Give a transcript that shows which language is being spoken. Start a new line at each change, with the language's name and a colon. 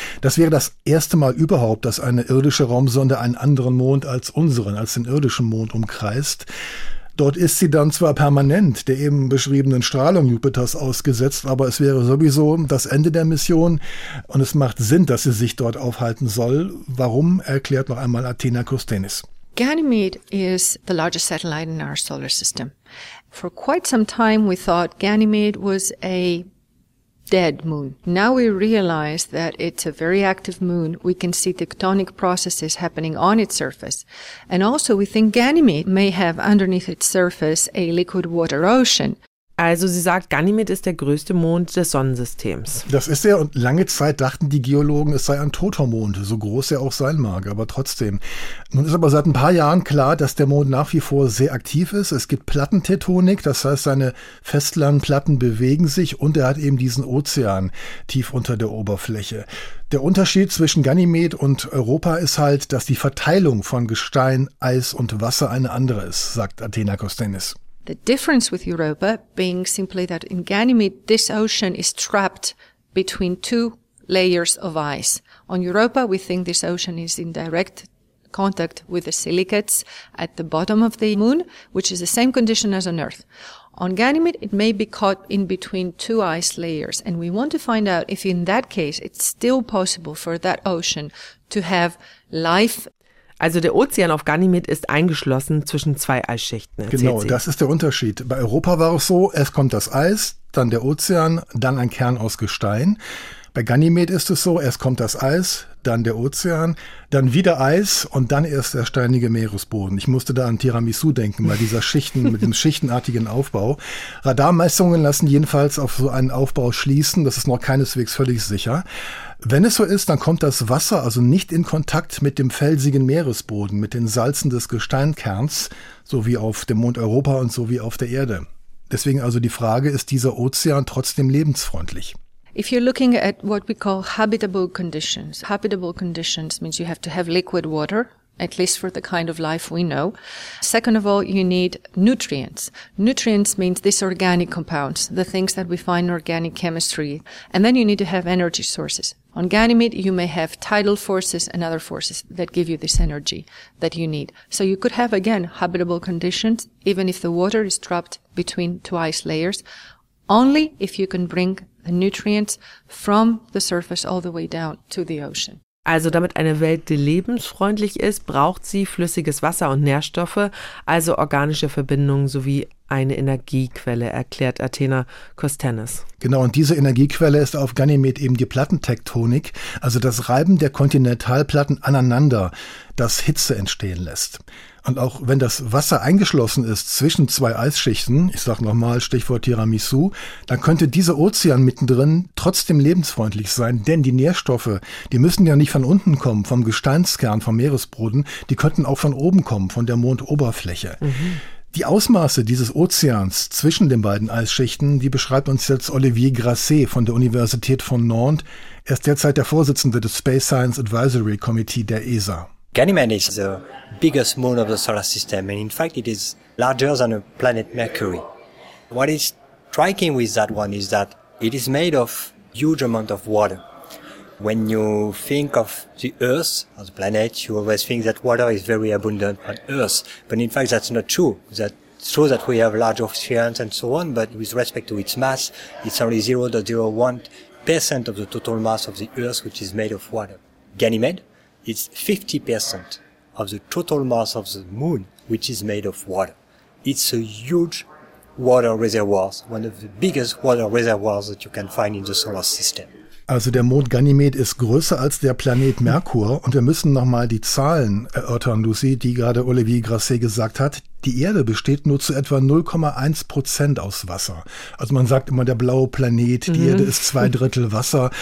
German: Das wäre das erste Mal überhaupt, dass eine irdische Raumsonde einen anderen Mond als unseren, als den irdischen Mond umkreist. Dort ist sie dann zwar permanent der eben beschriebenen Strahlung Jupiters ausgesetzt, aber es wäre sowieso das Ende der Mission und es macht Sinn, dass sie sich dort aufhalten soll. Warum, erklärt noch einmal Athena Kostenis.
English: Ganymede is the largest satellite in our solar system. For quite some time we thought Ganymede was a dead moon. Now we realize that it's a very active moon. We can see tectonic processes happening on its surface. And also we think Ganymede may have underneath its surface a liquid water ocean.
German: Also sie sagt, Ganymede ist der größte Mond des Sonnensystems. Das ist er, und lange Zeit dachten die Geologen, es sei ein toter Mond, so groß er auch sein mag, aber trotzdem. Nun ist aber seit ein paar Jahren klar, dass der Mond nach wie vor sehr aktiv ist. Es gibt Plattentektonik, das heißt, seine Festlandplatten bewegen sich und er hat eben diesen Ozean tief unter der Oberfläche. Der Unterschied zwischen Ganymede und Europa ist halt, dass die Verteilung von Gestein, Eis und Wasser eine andere ist, sagt Athena Kostenis.
English: The difference with Europa being simply that in Ganymede, this ocean is trapped between 2 layers of ice. On Europa, we think this ocean is in direct contact with the silicates at the bottom of the moon, which is the same condition as on Earth. On Ganymede, it may be caught in between 2 ice layers. And we want to find out if in that case, it's still possible for that ocean to have life.
German: Also der Ozean auf Ganymede ist eingeschlossen zwischen 2 Eisschichten, erzählt genau, sie. Genau, das ist der Unterschied. Bei Europa war es so, erst kommt das Eis, dann der Ozean, dann ein Kern aus Gestein. Bei Ganymede ist es so, erst kommt das Eis, dann der Ozean, dann wieder Eis und dann erst der steinige Meeresboden. Ich musste da an Tiramisu denken, bei dieser Schichten, mit dem schichtenartigen Aufbau. Radarmessungen lassen jedenfalls auf so einen Aufbau schließen, das ist noch keineswegs völlig sicher. Wenn es so ist, dann kommt das Wasser also nicht in Kontakt mit dem felsigen Meeresboden, mit den Salzen des Gesteinkerns, so wie auf dem Mond Europa und so wie auf der Erde. Deswegen also die Frage, ist dieser Ozean trotzdem lebensfreundlich?
English: If you're looking at what we call habitable conditions means you have to have liquid water, at least for the kind of life we know. Second of all, you need nutrients. Nutrients means these organic compounds, the things that we find in organic chemistry. And then you need to have energy sources. On Ganymede, you may have tidal forces and other forces that give you this energy that you need. So you could have, again, habitable conditions, even if the water is trapped between two ice layers, only if you can bring the nutrients from the surface all the way down to the ocean.
German: Also damit eine Welt, die lebensfreundlich ist, braucht sie flüssiges Wasser und Nährstoffe, also organische Verbindungen sowie eine Energiequelle, erklärt Athena Kostenis. Genau, und diese Energiequelle ist auf Ganymed eben die Plattentektonik, also das Reiben der Kontinentalplatten aneinander, das Hitze entstehen lässt. Und auch wenn das Wasser eingeschlossen ist zwischen zwei Eisschichten, ich sag nochmal Stichwort Tiramisu, dann könnte dieser Ozean mittendrin trotzdem lebensfreundlich sein, denn die Nährstoffe, die müssen ja nicht von unten kommen, vom Gesteinskern, vom Meeresboden, die könnten auch von oben kommen, von der Mondoberfläche. Mhm. Die Ausmaße dieses Ozeans zwischen den beiden Eisschichten, die beschreibt uns jetzt Olivier Grasset von der Universität von Nantes. Er ist derzeit der Vorsitzende des Space Science Advisory Committee der ESA.
English: Ganymede is the biggest moon of the solar system, and in fact it is larger than a planet Mercury. What is striking with that one is that it is made of huge amount of water. When you think of the Earth as a planet, you always think that water is very abundant on Earth. But in fact, that's not true. It's true that we have large oceans and so on, but with respect to its mass, it's only 0.01% of the total mass of the Earth, which is made of water. Ganymede, it's 50% of the total mass of the moon, which is made of water. It's a huge water reservoir, one of the biggest water reservoirs that you can find in the solar system.
German: Also der Mond Ganymede ist größer als der Planet Merkur. Und wir müssen nochmal die Zahlen erörtern, Lucy, die gerade Olivier Grasset gesagt hat. Die Erde besteht nur zu etwa 0.1% aus Wasser. Also man sagt immer, der blaue Planet, die Erde ist zwei Drittel Wasser.